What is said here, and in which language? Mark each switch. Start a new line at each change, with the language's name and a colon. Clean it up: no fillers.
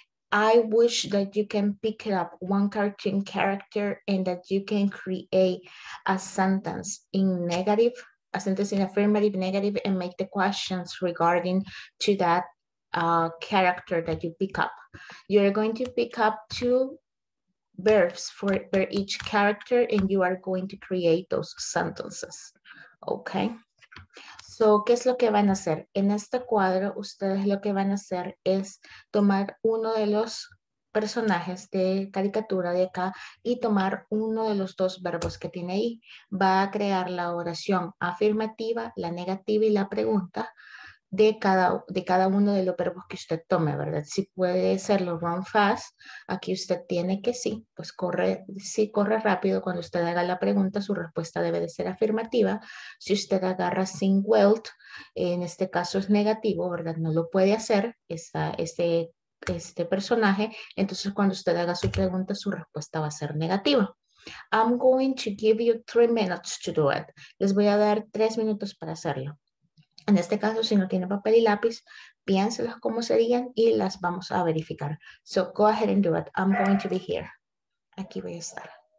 English: I wish that you can pick it up one cartoon character and that you can create a sentence in negative, a sentence in affirmative, negative, and make the questions regarding to that character that you pick up. You're going to pick up two verbs for each character and you are going to create those sentences. Okay.
Spanish: So, ¿qué es lo que van a hacer? En este cuadro, ustedes lo que van a hacer es tomar uno de los personajes de caricatura de acá y tomar uno de los dos verbos que tiene ahí. Va a crear la oración afirmativa, la negativa y la pregunta de cada uno de los verbos que usted tome, ¿verdad? Si puede hacerlo run fast, aquí usted tiene que sí, pues corre, si corre rápido, cuando usted haga la pregunta, su respuesta debe de ser afirmativa. Si usted agarra sin will, en este caso es negativo, ¿verdad? No lo puede hacer, este personaje, entonces cuando usted haga su pregunta, su respuesta va a ser negativa.
English: I'm going to give you 3 minutes to do it.
Spanish: Les voy a dar 3 minutos para hacerlo. En este caso, si no tiene papel y lápiz, piénselos como serían y las vamos a verificar.
English: So go ahead and do it. I'm going to be here.
Spanish: Aquí voy a estar.